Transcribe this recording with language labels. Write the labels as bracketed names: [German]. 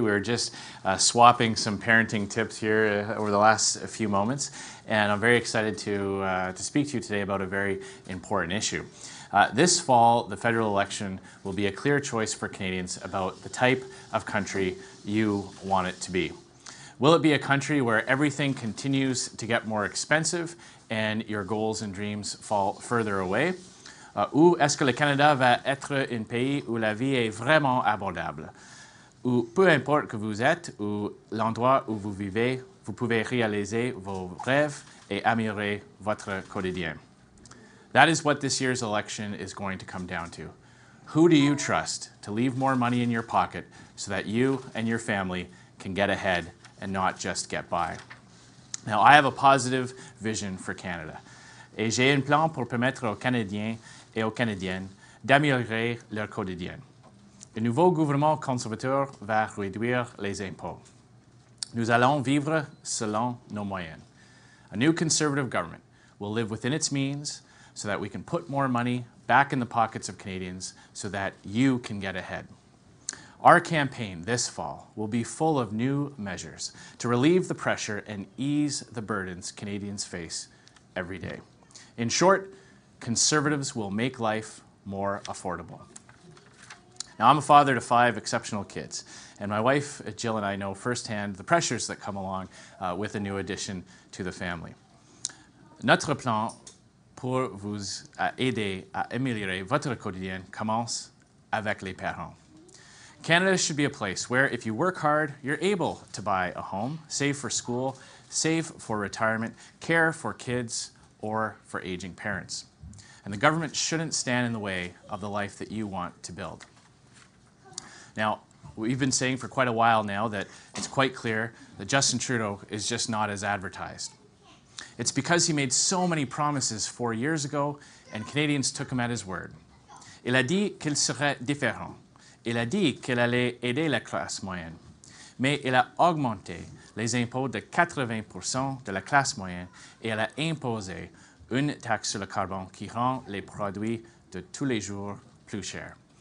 [English] We were just swapping some parenting tips here over the last few moments, and I'm very excited to speak to you today about a very important issue. This fall, the federal election will be a clear choice for Canadians about the type of country you want it to be. Will it be a country where everything continues to get more expensive and your goals and dreams fall further away? [French] Ou est-ce que le Canada va être un pays où la vie est vraiment abordable? Ou peu importe que vous êtes ou l'endroit où vous vivez, vous pouvez réaliser vos rêves et améliorer votre quotidien. [English] That is what this year's election is going to come down to. Who do you trust to leave more money in your pocket so that you and your family can get ahead and not just get by? Now, I have a positive vision for Canada. [French] Et j'ai un plan pour permettre aux Canadiens et aux Canadiennes d'améliorer leur quotidien. Le nouveau gouvernement conservateur va réduire les impôts. Nous allons vivre selon nos moyens. [English] A new conservative government will live within its means so that we can put more money back in the pockets of Canadians so that you can get ahead. Our campaign this fall will be full of new measures to relieve the pressure and ease the burdens Canadians face every day. In short, conservatives will make life more affordable. Now, I'm a father to five exceptional kids, and my wife, Jill, and I know firsthand the pressures that come along with a new addition to the family. [French] Notre plan pour vous aider à améliorer votre quotidien commence avec les parents. [English] Canada should be a place where, if you work hard, you're able to buy a home, save for school, save for retirement, care for kids, or for aging parents. And the government shouldn't stand in the way of the life that you want to build. Now, we've been saying for quite a while now that it's quite clear that Justin Trudeau is just not as advertised. It's because he made so many promises 4 years ago and Canadians took him at his word. [French] Il a dit qu'il serait différent. Il a dit qu'il allait aider la classe moyenne. Mais il a augmenté les impôts de 80% de la classe moyenne et elle a imposé une taxe sur le carbone qui rend les produits de tous les jours plus chers.